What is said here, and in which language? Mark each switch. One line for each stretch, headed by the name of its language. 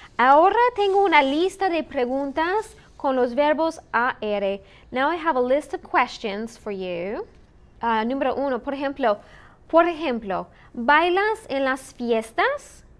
Spanish: Ahora tengo una lista de preguntas con los verbos AR.
English: Now I have a list of questions for you.
Spanish: Número uno, por ejemplo, ¿bailas en las fiestas?